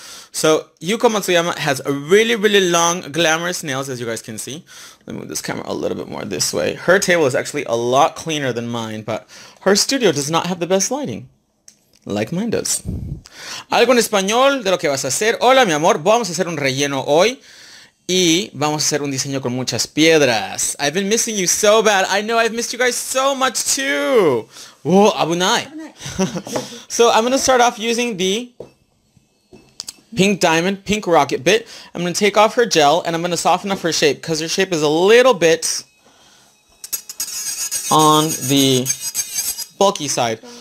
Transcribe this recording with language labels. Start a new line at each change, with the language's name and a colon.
English: So, Yuko Matsuyama has really, really long, glamorous nails, as you guys can see. Let me move this camera a little bit more this way. Her table is actually a lot cleaner than mine, but her studio does not have the best lighting, like mine does.
Spanish: Algo en español de lo que vas a hacer. Hola, mi amor. Vamos a hacer un relleno hoy. Y vamos a hacer un diseño con muchas piedras.
English: I've been missing you so bad. I know I've missed you guys so much too. Whoa,
Japanese: abunai.
English: So I'm going to start off using the pink diamond, pink rocket bit. I'm going to take off her gel and I'm going to soften up her shape because her shape is a little bit on the bulky side.